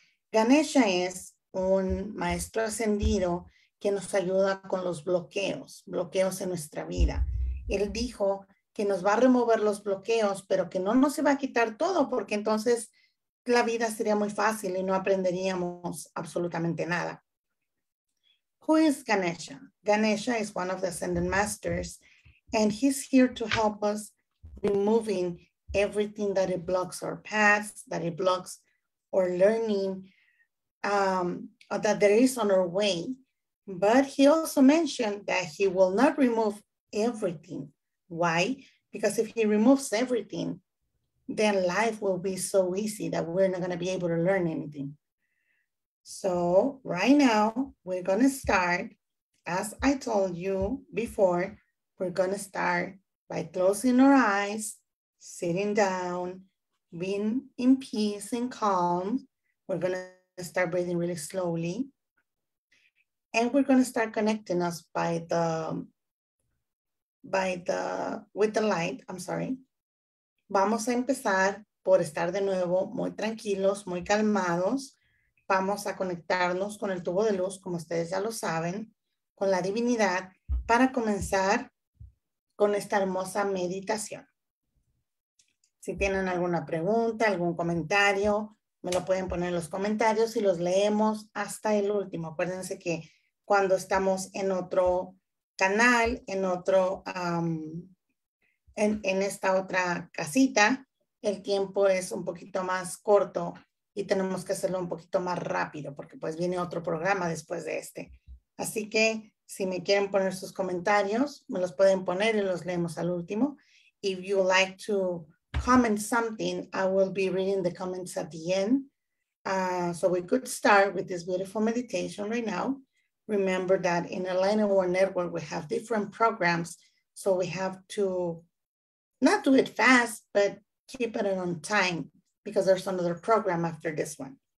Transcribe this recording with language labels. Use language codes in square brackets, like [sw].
[es] Ganesha es un maestro ascendido que nos ayuda con los bloqueos en nuestra vida. Él dijo que nos va a remover los bloqueos, pero que no nos iba a quitar todo, porque entonces la vida sería muy fácil y no aprenderíamos absolutamente nada. [en] Who is Ganesha? Ganesha is one of the ascended masters, and he's here to help us removing everything that it blocks our paths, that it blocks our learning, that there is on our way. But he also mentioned that he will not remove everything. Why? Because if he removes everything, then life will be so easy that we're not going to be able to learn anything. So right now, we're going to start, as I told you before, we're going to start by closing our eyes, sitting down, being in peace and calm. We're going to start breathing really slowly. And we're going to start connecting us with the light. I'm sorry. [es] Vamos a empezar por estar de nuevo muy tranquilos, muy calmados. Vamos a conectarnos con el tubo de luz, como ustedes ya lo saben, con la divinidad, para comenzar con esta hermosa meditación. Si tienen alguna pregunta, algún comentario, me lo pueden poner en los comentarios y los leemos hasta el último. Acuérdense que cuando estamos en otro canal, en otro, en esta otra casita, el tiempo es un poquito más corto y tenemos que hacerlo un poquito más rápido porque pues viene otro programa después de este. Así que si me quieren poner sus comentarios, me los pueden poner y los leemos al último. [en] If you like to comment something, I will be reading the comments at the end. So we could start with this beautiful meditation right now. Remember that in Enlightened World Network, we have different programs. So we have to not do it fast, but keep it on time because there's another program after this one.